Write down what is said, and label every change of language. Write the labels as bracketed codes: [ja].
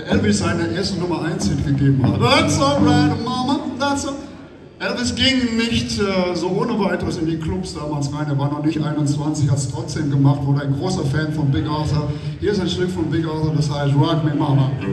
[en] I said, oh, [de] seine erste Nummer 1 hingegeben hat. [en] That's alright, Mama, that's alright. [de] Elvis ging nicht so ohne weiteres in die Clubs damals rein. Er war noch nicht 21, hat es trotzdem gemacht, wurde ein großer Fan von Big Arthur. Hier ist ein Stück von Big Arthur, das heißt Rock Me Mama.